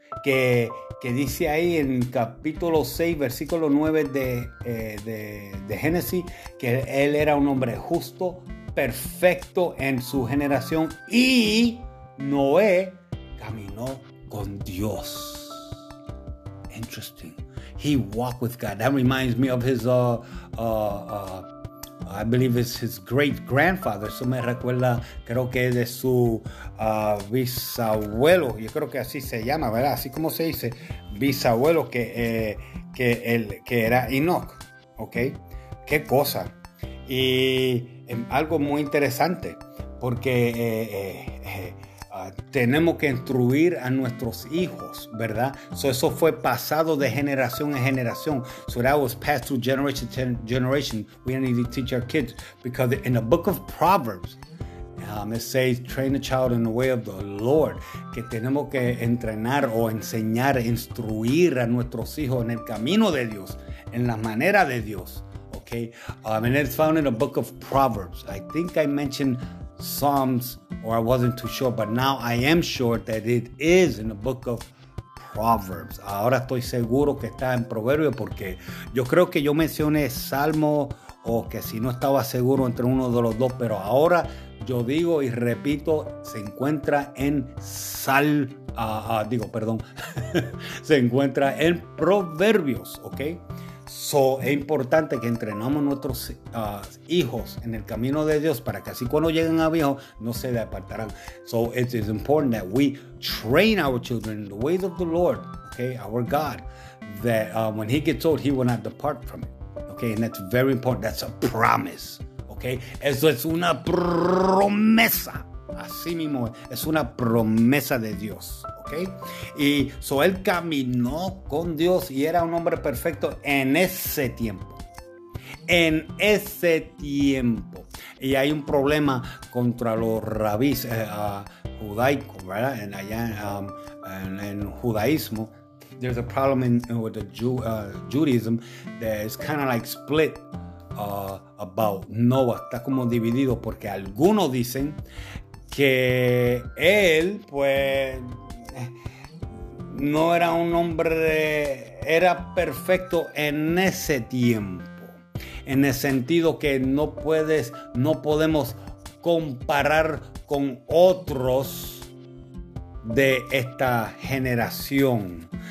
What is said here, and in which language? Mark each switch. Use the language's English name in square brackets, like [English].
[Spanish] Que dice ahí en capítulo 6, versículo 9 de Génesis, que él era un hombre justo, perfecto en su generación, y Noé caminó con Dios. [English] Interesting. He walked with God. That reminds me of his, I believe it's his great-grandfather. [Spanish] Eso me recuerda, creo que es de su bisabuelo. Yo creo que así se llama, ¿verdad? Así como se dice, bisabuelo, que era Enoch. ¿Ok? ¿Qué cosa? Y algo muy interesante, porque tenemos que instruir a nuestros hijos, ¿verdad? So eso fue pasado de generación en generación. [English] So that was passed through generation to generation. We need to teach our kids. Because in the book of Proverbs, it says, train the child in the way of the Lord. [Spanish] Que tenemos que entrenar o enseñar, instruir a nuestros hijos en el camino de Dios, en la manera de Dios. [English] Okay? And it's found in the book of Proverbs. I think I mentioned Psalms, or I wasn't too sure, but now I am sure that it is in the book of Proverbs. [Spanish] Ahora estoy seguro que está en Proverbios, porque yo creo que yo mencioné Salmo, o que si no estaba seguro entre uno de los dos, pero ahora yo digo y repito, se encuentra en se encuentra en Proverbios, ¿ok? So, es importante que entrenamos nuestros hijos en el camino de Dios para que así cuando lleguen a viejo no se le apartarán. [English] So, it is important that we train our children in the ways of the Lord, okay, our God, that when he gets old, he will not depart from it, okay, and that's very important. That's a promise, okay? Eso es una promesa. [Spanish] Así mismo, es una promesa de Dios, ¿ok? Y so él caminó con Dios y era un hombre perfecto en ese tiempo. En ese tiempo. Y hay un problema contra los rabis judaicos, ¿verdad? En allá en judaísmo. [English] There's a problem with the Judaism that is kind of like split. About Noah. [Spanish] Está como dividido porque algunos dicen que él, pues, no era un hombre, era perfecto en ese tiempo. En el sentido que no podemos comparar con otros de esta generación.